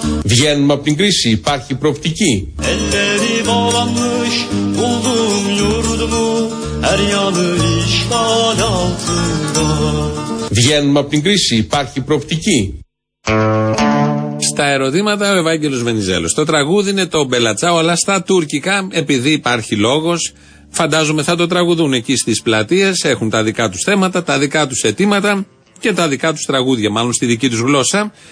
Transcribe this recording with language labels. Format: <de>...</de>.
<el>Βγαίνουμε από την κρίση, υπάρχει προοπτική.</el> <tr>Elleri bağlanmış buldum yurdumu, her yanı işgal altında.</tr> <el>Βγαίνουμε από την κρίση, υπάρχει προοπτική. Στα ερωτήματα ο Ευάγγελος Βενιζέλος. Το τραγούδι είναι το Μπελατσάο, αλλά στα τουρκικά, επειδή υπάρχει λόγος, φαντάζομαι θα το τραγουδούν εκεί στις πλατείες, έχουν τα δικά τους θέματα, τα δικά τους αιτήματα και τα δικά τους τραγούδια, μάλλον στη δική τους γλώσσα.</el>